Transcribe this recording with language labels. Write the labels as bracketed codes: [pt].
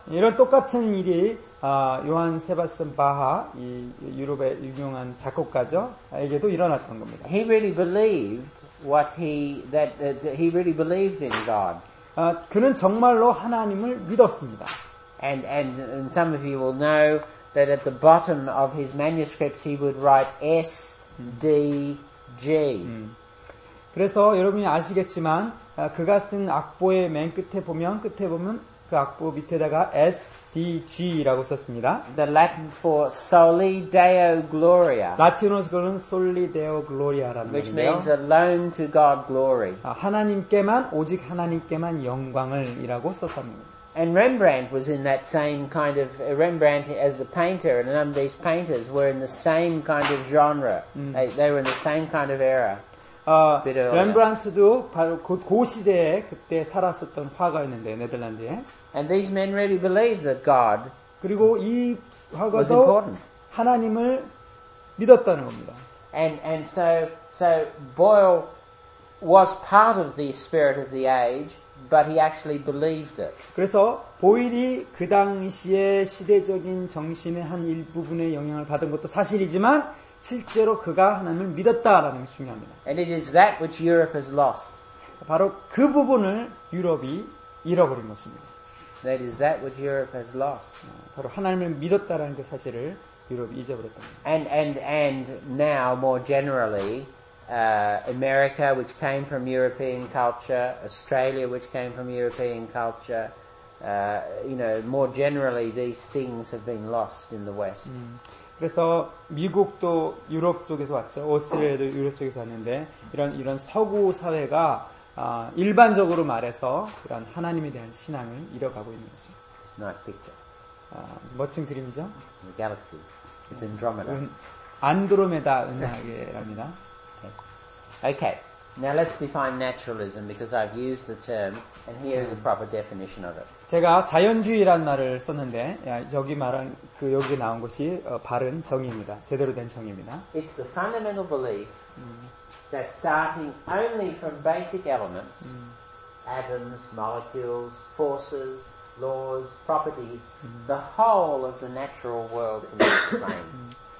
[ko] 이런 똑같은 일이 요한 세바스천 바하, 이 유럽의 유명한 작곡가죠. 에게도 일어났던 겁니다. [en] He really believed he really believed in God. [ko] 그는 정말로 하나님을 믿었습니다. [en] And some of you will know that at the bottom of his manuscripts he would write S, D, G. [ko] 그래서 여러분이 아시겠지만 그가 쓴 악보의 맨 끝에 보면 그 악보 밑에다가 S, D, G라고 썼습니다. [en] The Latin for Soli Deo Gloria. [ko] 라틴어로는 Soli Deo Gloria라는 [en] which [ko] 말인데요. [en] Which means alone to God glory. [ko] 하나님께만 오직 하나님께만 영광을 이라고 썼답니다. [en] And Rembrandt was in that same kind of Rembrandt as the painter, and a number of these painters were in the same kind of genre. They were in the same kind of era. [ko] Rembrandt도 바로 그 시대에 그때 살았었던 화가였는데 네덜란드에. [en] And these men really believed that God. [ko] 그리고 이 화가도 하나님을 믿었다는 겁니다. [en] And so Boyle was part of the spirit of the age. But he actually believed it. [ko] 그래서 보일이 그 당시의 시대적인 정신의 한 일부분의 영향을 받은 것도 사실이지만 실제로 그가 하나님을 믿었다라는 게 중요합니다. [en] And it is that which Europe has lost. [ko] 바로 그 부분을 유럽이 잃어버린 것입니다. [en] That is that which Europe has lost. [ko] 바로 하나님을 믿었다라는 그 사실을 유럽이 잊어버렸다. [en] And now more generally, America, which came from European culture, Australia, which came from European culture, you know, more generally, these things have been lost in the West. [ko] 그래서 미국도 유럽 쪽에서 왔죠. 오스트레일리아도 유럽 쪽에서 왔는데 이런 서구 사회가 일반적으로 말해서 그런 하나님에 대한 신앙을 잃어가고 있는 거죠. [en] It's a nice picture. [ko] 멋진 그림이죠. [en] It's a galaxy. It's Andromeda. [ko] 안드로메다 은하계랍니다. [en] Okay. Now let's define naturalism because I've used the term and here is a proper definition of it. [ko] 제가 자연주의란 말을 썼는데 여기 말한 그 여기 나온 것이 바른 정의입니다. 제대로 된 정의입니다. [en] It's the fundamental belief that starting only from basic elements, atoms, molecules, forces, laws, properties, the whole of the natural world can be explained.